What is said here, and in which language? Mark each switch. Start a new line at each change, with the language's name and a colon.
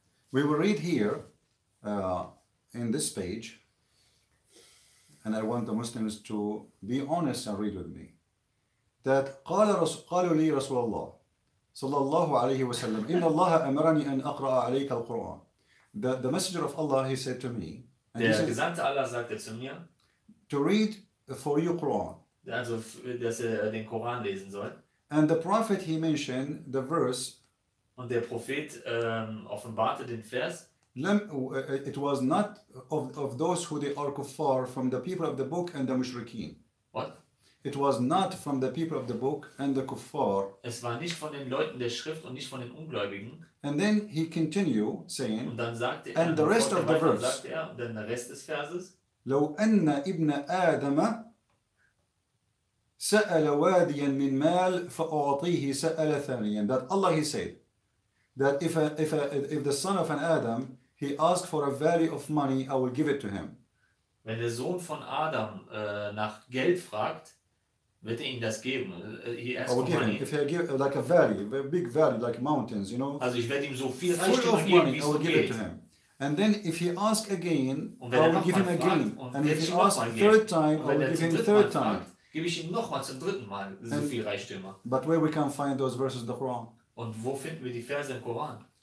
English: We will read here in this page, and I want the Muslims to be honest and read with me. That
Arabic: قال قالوا لي رسول الله صلى الله عليه وسلم إن الله أمرني أن أقرأ عليك القرآن.
English: The messenger of Allah, he said to me.
German: Der Gesandte Allah sagte zu mir.
English: To read for you Quran.
German: Also, dass er den Koran lesen soll.
English: And the prophet, he mentioned the verse.
German: Und der Prophet offenbarte den Vers.
English: It was not of those who they are kuffar from the people of the book and the mushrikeen. What? It was not from the people of the book and the kuffar.
German: Es war nicht von den Leuten der Schrift und nicht von den Ungläubigen.
English: And then he continued saying.
German: Und dann sagte er.
English: And the rest of the verse.
German: Sagte er, und dann der Rest des Verses.
Arabic: لو أن ابن آدم سأل واديا من مال فأعطيه سأل ثانيا.
English: That Allah, he said. That if the son of an Adam, he asked for a valley of money, I will give it to him.
German: Wenn der Sohn von Adam nach Geld fragt, wird er ihm das geben.
English: He asked for money. If he give like a valley, a big valley, like mountains, you know.
German: Also ich werde ihm so viel Reichtum geben, wie es geht.
English: I will give it to him. And then if he asks again, I will give him again. And if he asks a third time, I will give him a third time.
German: Gebe ich ihm nochmal zum dritten Mal so viel Reichtümer.
English: But where we can find those verses in the Quran?
German: Und wo finden wir die Verse im Koran?